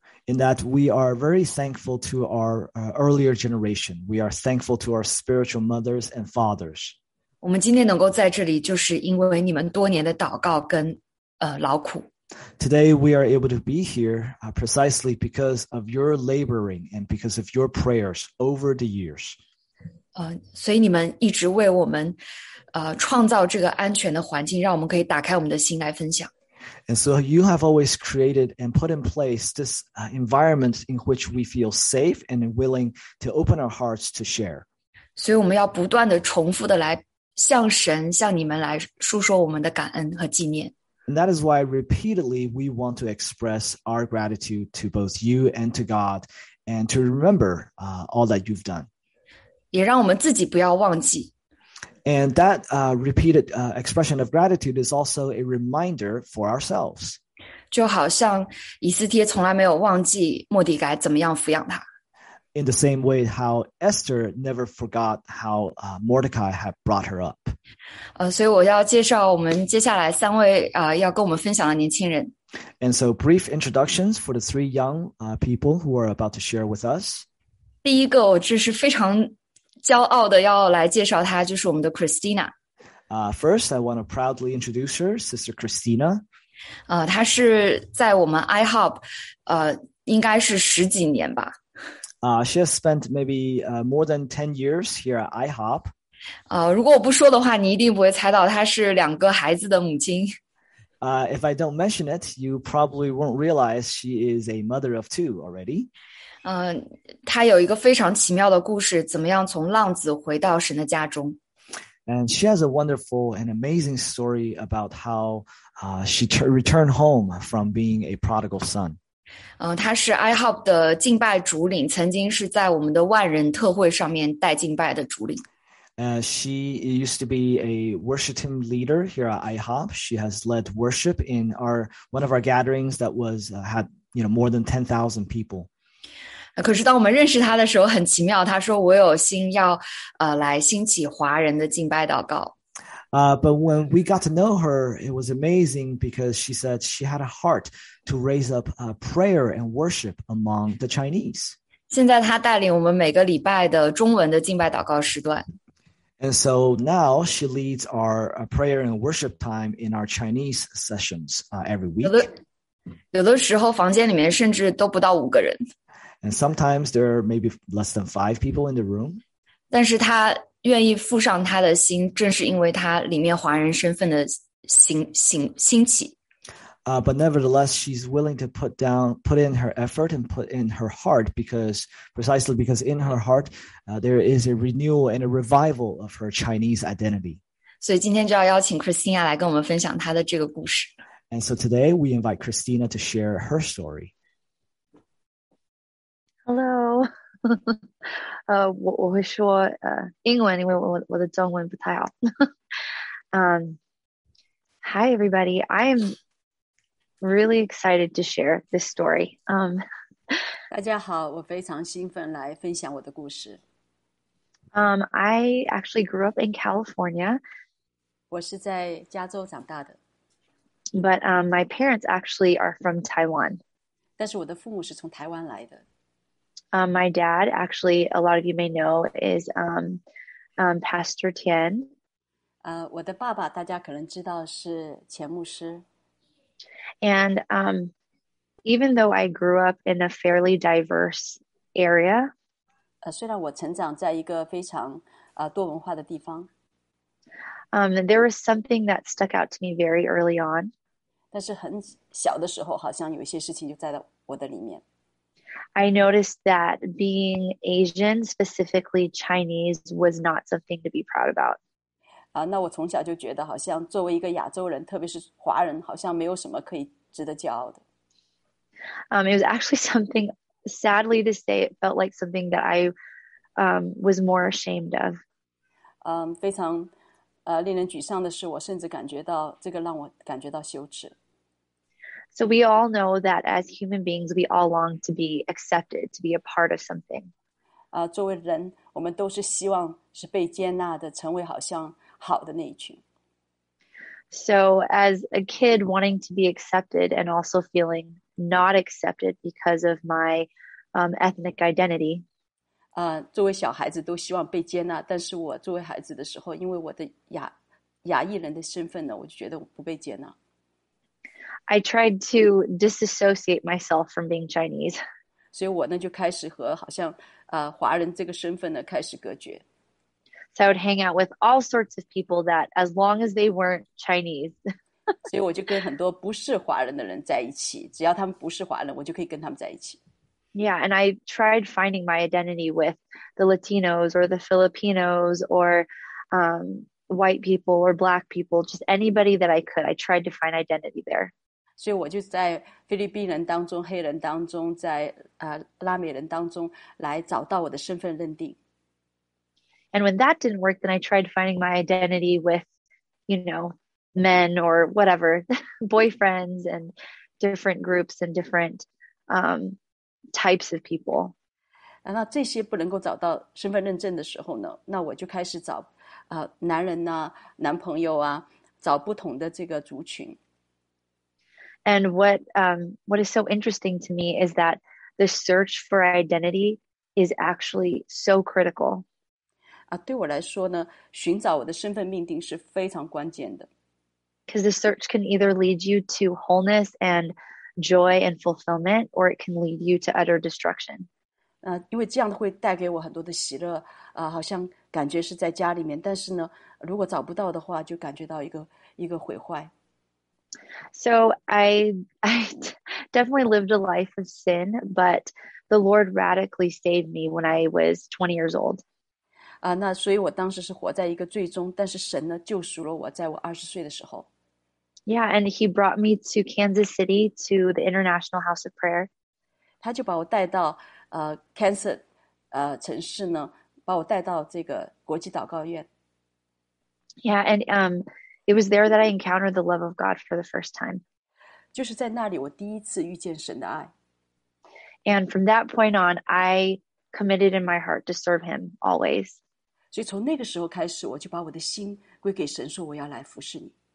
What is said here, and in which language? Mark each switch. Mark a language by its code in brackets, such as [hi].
[en] In that we are very thankful to our earlier generation. We are thankful to our spiritual mothers and fathers. [zh] 我们今天能够在这里，就是因为你们多年的祷告跟劳苦。 [en] Today we are able to be here precisely because of your laboring and because of your prayers over the years. [zh] 所以你们一直为我们。创造这个安全的环境，让我们可以打开我们的心来分享。 [en] And so you have always created and put in place this environment in which we feel safe and willing to open our hearts to share. [zh] 所以我们要不断的重复的来向神、向你们来述说我们的感恩和纪念。 [en] And that is why repeatedly we want to express our gratitude to both you and to God, and to remember all that you've done. [zh] 也让我们自己不要忘记。 [en] And that repeated expression of gratitude is also a reminder for ourselves. [zh] 就好像以斯帖从来没有忘记莫迪该怎么样抚养他。 [en] In the same way how Esther never forgot how Mordecai had brought her up. [zh] 所以我要介绍我们接下来三位要跟我们分享的年轻人。 [en] And so brief introductions for the three young people who are about to share with us. [zh] 第一个我这是非常骄傲的要来介绍她，就是我们的 Christina。 [en] First, I want to proudly introduce her, Sister Christina. [zh] 她是在我们 IHOP, 应该是十几年吧。 [en] She has spent maybe more than 10 years here at IHOP. [zh] 如果我不说的话，你一定不会猜到她是两个孩子的母亲。 [en] If I don't mention it, you probably won't realize she is a mother of two already. [zh] 她有一个非常奇妙的故事，怎么样从浪子回到神的家中。 [en] And she has a wonderful and amazing story about how she returned home from being a prodigal son. [zh] 她是 IHOP 的敬拜主领，曾经是在我们的万人特会上面带敬拜的主领。 [en] She used to be a worship team leader here at IHOP. She has led worship in one of our gatherings that was had you know more than 10,000 people. [zh] 可是当我们认识他的时候很奇妙，他说我有心要来兴起华人的敬拜祷告。 [en] But when we got to know her, it was amazing because she said she had a heart to raise up prayer and worship among the Chinese. [zh] 现在他带领我们每个礼拜的中文的敬拜祷告时段。 [en] And so now she leads our prayer and worship time in our Chinese sessions every week. [zh] 有的时候房间里面甚至都不到五个人。 [en] And sometimes there are maybe less than five people in the room. [zh] 但是他愿意付上他的心，正是因为他里面华人身份的兴起。 [en] But nevertheless, she's willing to put in her effort and put in her heart because in her heart, there is a renewal and a revival of her Chinese identity. [zh] 所以今天就要邀请 Christina 来跟我们分享她的这个故事。 [en] And so today we invite Christina to share her story. Hello. [zh] 我会说英文，因为我的中文不太好。 [en] Hi, everybody. I'm really excited to share this story. [zh] 大家好，我非常兴奋来分享我的故事。 [en] I actually grew up in California. [zh] 我是在加州长大的。 [en] But my parents actually are from Taiwan. [zh] 但是我的父母是从台湾来的。 [en] My dad, actually, a lot of you may know, is Pastor Tian. [zh] 我的爸爸大家可能知道是钱牧师。 [en] And even though I grew up in a fairly diverse area, [zh] 虽然我成长在一个非常多文化的地方， [en] there was something that stuck out to me very early on. [zh] 但是很小的时候，好像有一些事情就在我的里面。 [en] I noticed that being Asian, specifically Chinese, was not something to be proud about. [zh] 那我从小就觉得好像作为一个亚洲人，特别是华人，好像没有什么可以值得骄傲的。 [en] It was actually something, sadly to say, it felt like something that I was more ashamed of. [zh] 非常令人沮丧的是，我甚至感觉到这个让我感觉到羞耻。 [en] So we all know that as human beings, we all long to be accepted, to be a part of something. [zh] 作为人，我们都是希望是被接纳的，成为好像好的那一群。 [en] So as a kid wanting to be accepted and also feeling not accepted because of my ethnic identity. [zh] 作为小孩子都希望被接纳，但是我作为孩子的时候，因为我的亚裔人的身份呢，我就觉得我不被接纳。 [en] I tried to disassociate myself from being Chinese. [zh] 所以我呢就开始和好像华人这个身份呢开始隔绝。 [en] So I would hang out with all sorts of people that as long as they weren't Chinese. [zh] 所以我就跟很多不是华人的人在一起，只要他们不是华人，我就可以跟他们在一起。 [en] Yeah, and I tried finding my identity with the Latinos or the Filipinos or white people or black people, just anybody that I could. I tried to find identity there. [zh] 所以我就在菲律宾人当中、黑人当中、在拉美人当中来找到我的身份认定。 [en] And when that didn't work, then I tried finding my identity with, you know, men or whatever, boyfriends and different groups and different types of people. [zh] 那这些不能够找到身份认证的时候呢，那我就开始找男人啊、男朋友啊，找不同的这个族群。 [en] And what is so interesting to me is that the search for identity is actually so critical. [zh] 对我来说呢，寻找我的身份命定是非常关键的。 [en] Because the search can either lead you to wholeness and joy and fulfillment, or it can lead you to utter destruction. [zh] 因为这样会带给我很多的喜乐，好像感觉是在家里面，但是呢，如果找不到的话，就感觉到一个毁坏。 [en] So I definitely lived a life of sin, but the Lord radically saved me when I was 20 years old. [zh] 那所以我当时是活在一个罪中，但是神呢救赎了我，在我20岁的时候。 [en] Yeah, and he brought me to Kansas City to the International House of Prayer. [zh] 他就把我带到Kansas 城市呢，把我带到这个国际祷告院。 [en] Yeah, and It was there that I encountered the love of God for the first time. [zh] 就是在那里我第一次遇见神的爱。 [en] And from that point on, I committed in my heart to serve him always. [zh] 所以从那个时候开始，我就把我的心归给神，说我要来服侍你。